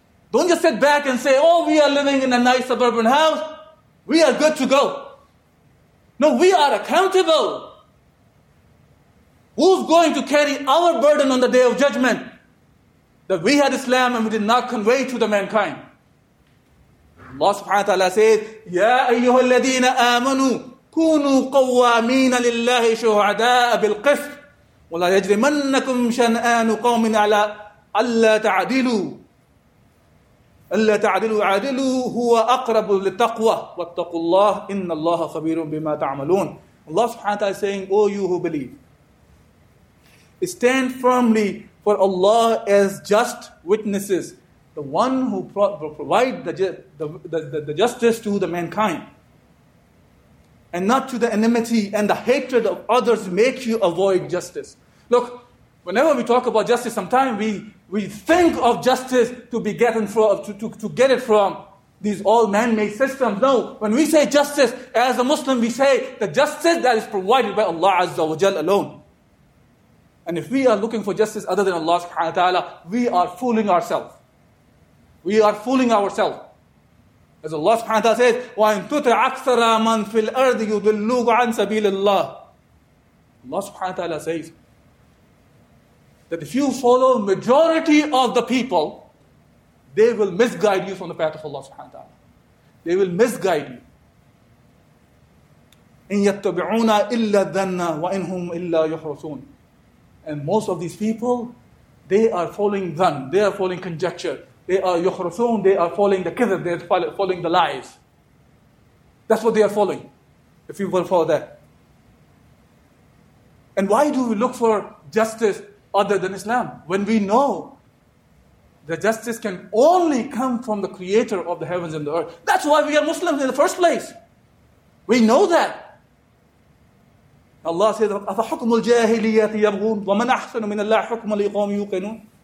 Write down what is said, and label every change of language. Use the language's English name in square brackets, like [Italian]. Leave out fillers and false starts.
[English] Don't just sit back and say, oh, we are living in a nice suburban house, we are good to go. No, we are accountable. Who's going to carry our burden on the Day of Judgment that we had Islam and we did not convey to the mankind? Allah subhanahu wa ta'ala says, [Arabic] يَا أَيُّهَا الَّذِينَ آمَنُوا كُونُوا قَوَّامِينَ لِلَّهِ شُهَدَاءَ بِالْقِسْطِ وَلَا يَجْرِمَنَّكُمْ شَنْآنُ قَوْمٍ عَلَىٰ أَلَّا تَعْدِلُوا أَلَّا تَعْدِلُوا عَدِلُوا هُوَ أَقْرَبُ لِلتَّقْوَى وَاتَّقُوا اللَّهِ إِنَّ اللَّهَ خَبِيرٌ بِمَا تَعْمَلُونَ. [English] Allah subhanahu wa ta'ala is saying, O you who believe, stand firmly for Allah as just witnesses, the one who provide the justice to the mankind, and not to the enmity and the hatred of others make you avoid justice. Look, whenever we talk about justice, sometimes we think of justice to be getting from to get it from these all man-made systems. No, when we say justice, as a Muslim, we say the justice that is provided by Allah Azza wa Jal alone. And if we are looking for justice other than Allah subhanahu wa ta'ala, we are fooling ourselves. We are fooling ourselves. As Allah subhanahu wa ta'ala says, [Arabic] وَإِن تُطِعْ أَكْثَرَ مَن فِي الْأَرْضِ يُضِلُّوكَ عَن سَبِيلِ اللَّهِ. [English] Allah subhanahu wa ta'ala says that if you follow majority of the people, they will misguide you from the path of Allah subhanahu wa ta'ala. They will misguide you. [Arabic] إِن يَتَّبِعُونَ إِلَّا الذَّنَّ وَإِنْ هُمْ إِلَّا يُحْرَصُونَ. [English] And most of these people, they are following dhan, they are following conjecture. They are yukhrasoon, they are following the kithr, they are following the lies. That's what they are following, if you will follow that. And why do we look for justice other than Islam, when we know that justice can only come from the creator of the heavens and the earth? That's why we are Muslims in the first place. We know that. Allah says, [Arabic] أَفَحُكْمُ الْجَاهِلِيَّةِ يَبْغُونَ وَمَنْ أَحْسَنُ مِنَ اللَّهِ حُكْمًا لِقَوْمٍ يُوقِنُونَ.